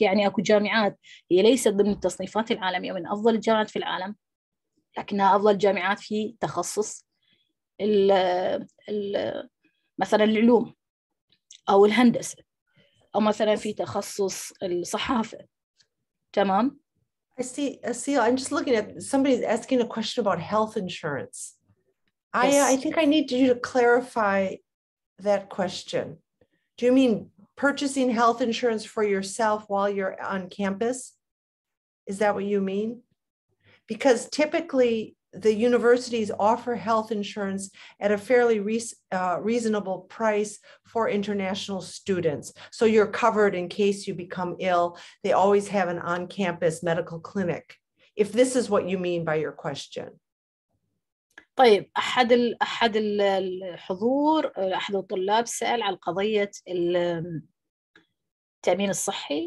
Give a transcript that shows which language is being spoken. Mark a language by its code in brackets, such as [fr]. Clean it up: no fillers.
[ar] يعني أكو جامعات هي ليست ضمن التصنيفات العالمية من أفضل الجامعات في العالم، لكنها أفضل جامعات في تخصص الـ مثلا العلوم أو الهندسة، أو مثلا في تخصص الصحافة. تمام. [en] I see. I'm just looking at somebody's asking a question about health insurance. Yes. I think I need you to clarify that question. Do you mean purchasing health insurance for yourself while you're on campus? Is that what you mean? Because typically the universities offer health insurance at a fairly reasonable price for international students. So you're covered in case you become ill. They always have an on-campus medical clinic. If this is what you mean by your question. [ar] طيب، أحد الحضور، أحد الطلاب سأل على قضية التأمين الصحي.